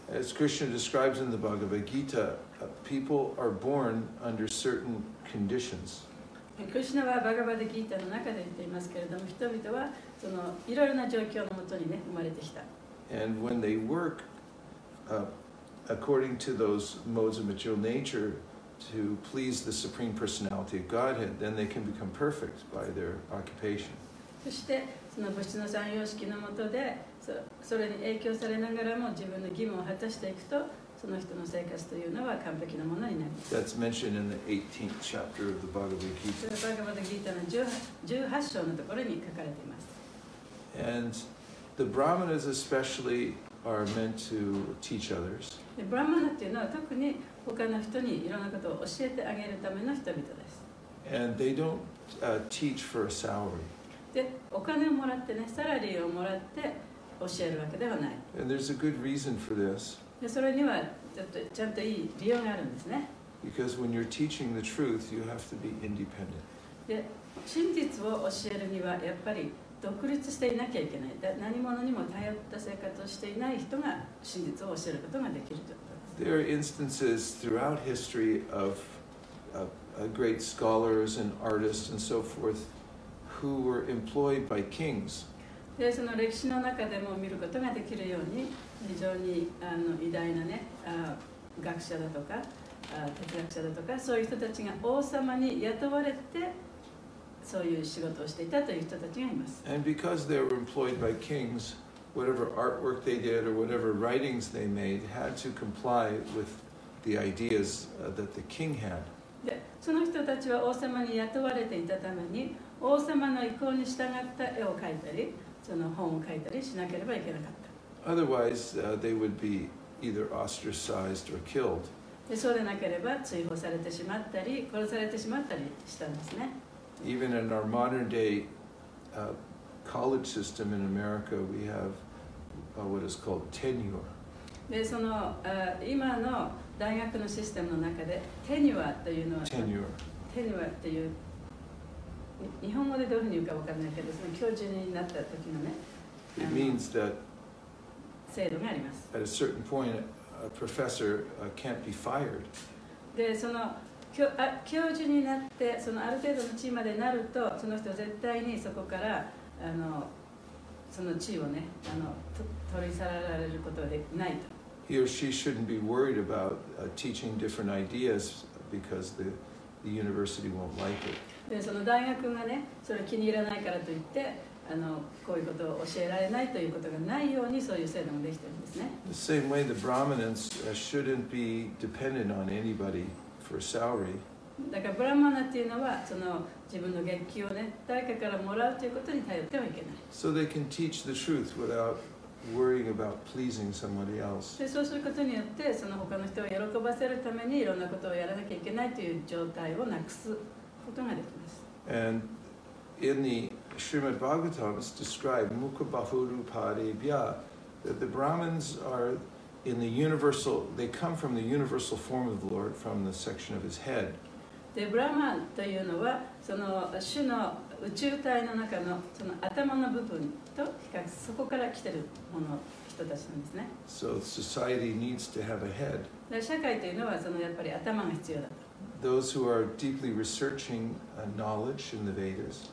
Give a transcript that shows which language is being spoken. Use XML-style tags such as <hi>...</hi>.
<en>As Krishna describes in the Bhagavad Gita, people are born under certain conditions.</en> <ja>Krishna はバガヴァッド・ギータの中で言っていますけれども、人々はそのいろいろな状況のもとにね、生まれてきた。</ja> <en>And when they work, according to those modes of material nature,to please the Supreme Personality of Godhead, then they can become perfect by their occupation.</en> <ja>そしてその物質の三様式のもとで、それに影響されながらも自分の義務を果たしていくと、その人の生活というのは完璧なものになります。</ja> <en>That's mentioned in the 18th chapter of the Bhagavad Gita.</en> <ja>それはバガヴァッド・ギータの18章のところに書かれています。</ja> <en>And the Brahmanas especially are meant to teach others.</en> <ja>で、ブラーマナというのは特に他の人にいろんなことを教えてあげるための人々です。</ja> <en>And they don't, teach for a salary.</en> <ja>で、お金をもらってね、サラリーをもらって教えるわけではない。</ja> <en>And there's a good reason for this.</en> <ja>で、それにはちゃんといい理由があるんですね。</ja> <en>Because when you're teaching the truth, you have to be independent.</en> <ja>で、真実を教えるにはやっぱり独立していなきゃいけない。何者にも頼った生活をしていない人が真実を教えることができると。</ja> <en>There are instances throughout history of great scholars and artists and so forth who were employed by kings.</en> <ja>で、その歴史の中でも見ることができるように、非常に偉大なね、学者だとか、哲学者だとか、そういう人たちが王様に雇われて、そういう仕事をしていたという人たちがいます。</ja> <en>And because they were employed by kings,whatever artwork they did or whatever writings they made had to comply with the ideas that the king had.</en> <ja>で、その人たちは王様に雇われていたために、王様の意向に従った絵を描いたり、その本を描いたりしなければいけなかった。</ja> <en>Otherwise, they would be either ostracized or killed.</en> <ja>で、そうでなければ追放されてしまったり、殺されてしまったりしたんですね。</ja> <en>Even in our modern day, college system in America, we have what is called tenure.</en> <ja>で、その、今の大学のシステムの中で、tenure というのは、</ja> <en>tenure。</en> <ja>tenure っていう、日本語でどういうふうに言うか分からないけど、その教授になった時のね、</ja> <en>it means that</en> <ja>制度があります。</ja> <en>At a certain point, a professor can't be fired.</en> <ja>で、その教授になって、そのある程度の地位までなると、その人は絶対にそこから、その地位をね、取り去られることはないと。</ja> <en>He or she shouldn't be worried about teaching different ideas because the university won't like it.</en> <ja>で、その大学がね、それ気に入らないからといって、こういうことを教えられないということがないように、そういう制度もできてるんですね。</ja> <en>The same way the Brahmanas shouldn't be dependent on anybody for salary.</en> <ja>だからブラマナっていうのはその自分の月給をね誰かからもらうということに頼ってはいけない。</ja> <en>So they can teach the truth without worrying about pleasing somebody else.</en> <ja>で、そうすることによってその他の人を喜ばせるためにいろんなことをやらなきゃいけないという状態をなくすことができます。</ja> <en>And in the Srimad Bhagavatam is described Mukhabahurupadebhya that the Brahmins are in the universal, they come from the universal form of the Lord from the section of his head.</en> <ja>で、ブラマンというのはその主の宇宙体の中のその頭の部分と比較そこから来ているもの人たちなんですね。</ja> <en>So society needs to have a head.</en> <ja>社会というのはそのやっぱり頭が必要だと。</ja> <en>Those who are deeply researching knowledge in the Vedas.</en>